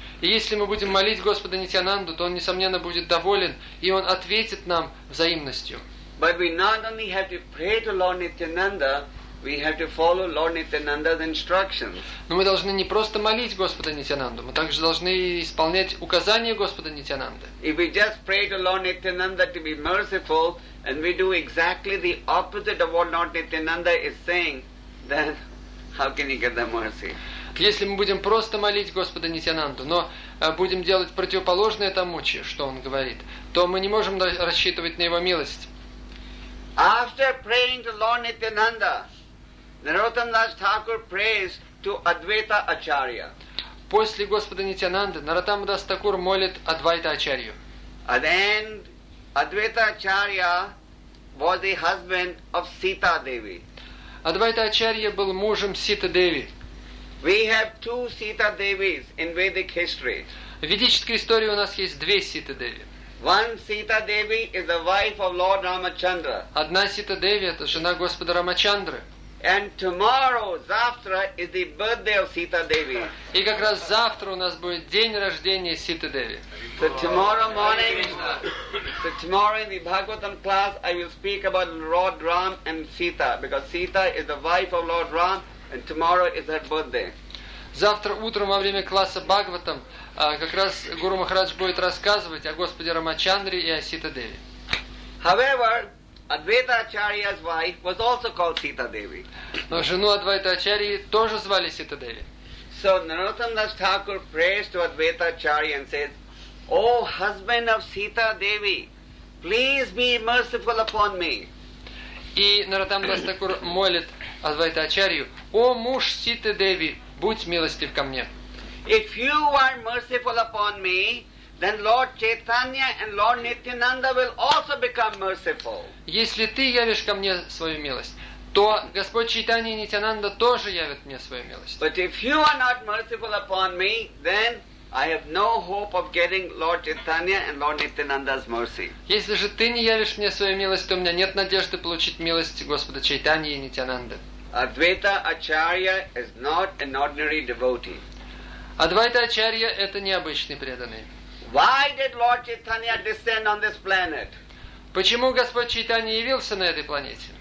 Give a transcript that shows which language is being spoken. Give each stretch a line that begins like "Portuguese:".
Russian: Если мы будем молить Господа Нитьянанду, то он, несомненно, будет доволен, и он ответит нам взаимностью.
English: But we not only have to pray to Lord Nityananda, we have to follow Lord Nityananda's instructions.
Russian: Но мы должны не просто молить Господа Нитянанду, мы также должны исполнять указания Господа Нитянанды.
English: If we just pray to Lord Nityananda to be merciful and we do exactly the opposite of what Lord Nityananda is saying, then how can you get the mercy?
Russian: Если мы будем просто молить Господа Нитянанду, но будем делать противоположное тому, что он говорит, то мы не можем рассчитывать на его милость.
English: After praying to Lord Nityananda, Narottam Das Thakur prays to Advaita Acharya.
Russian: После Господа Нитянанды Нараттама Дас Такур молит Адвайта Ачарью.
English: And then Advaita Acharya was the husband of Sita Devi.
Russian: Адвайта Ачарья был мужем Сита Деви.
English: We have two Sita Devis in Vedic history.
Russian: В ведической истории у нас есть две Сита Деви.
English: One Sita Devi is the wife of Lord Ramachandra.
Russian: Одна Сита Деви это жена Господа Рамачандры.
English: And tomorrow,
Russian: завтра,
English: is the birthday of Sita Devi.
Russian: И как раз завтра у нас будет день рождения Сита Деви.
English: So tomorrow morning, in the Bhagavatam class, I will speak about Lord Ram and Sita, because Sita is the wife of Lord Ram, and tomorrow is her birthday.
Russian: Завтра утром во время класса Бхагаватам как раз Гуру Махарадж будет рассказывать о Господе Рамачандре и о Сита Деви.
English: However, Advaita Acharya's wife was also called Sita Devi.
Russian: Но жену Адвайта Ачарьи тоже звали Сита Деви.
English: So Narottam Das Thakur prays to Advaita Acharya and says, "O husband of Sita Devi, please be merciful upon me."
Russian: И Narottam Das Thakur молит Адвайта Ачарью: "О муж Сита Деви, будь милостив ко мне."
English: If you are merciful upon me, then Lord Chaitanya and Lord Nityananda will also become merciful.
Russian: Если ты явишь ко мне свою милость, то Господь Чайтанья и Нитянанда тоже явят мне свою милость.
English: But if you are not merciful upon me, then I have no hope of getting Lord Chaitanya and Lord Nityananda's mercy.
Russian: Если же ты не явишь мне свою милость, то у меня нет надежды получить милость Господа Чайтанья и Нитянанды.
English: Advaita Acharya is not an ordinary devotee.
Russian: Адвайта Ачарья – это необычный преданный.
English: Why did Lord Chaitanya descend on this planet?
Russian: Почему Господь Чайтанья явился на этой планете?